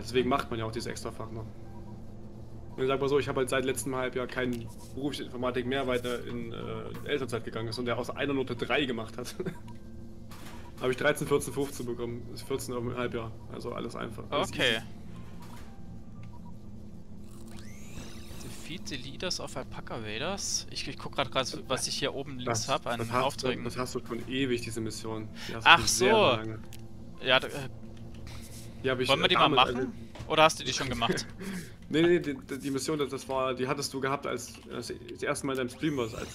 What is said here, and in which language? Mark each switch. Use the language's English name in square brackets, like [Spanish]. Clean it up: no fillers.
[German] Deswegen macht man ja auch dieses Extrafach noch. Und ich sag mal so, ich habe halt seit letztem Halbjahr keinen Beruf in Informatik mehr, weil der in Elternzeit gegangen ist und der aus einer Note 3 gemacht hat. Habe ich 13, 14, 15 bekommen. Das ist 14 auf dem Halbjahr. Also alles einfach. Alles [English] okay. Easy. Defeat the Leaders of Alpaca Raiders. [German] Ich guck gerade, was ich hier oben links habe an das Aufträgen. Das hast du schon ewig, diese Mission. Ach so. Sehr lange. Ja, wollen wir die mal machen? Oder hast du die schon gemacht? Nee, die Mission, die hattest du gehabt, als das erste Mal in deinem Stream warst.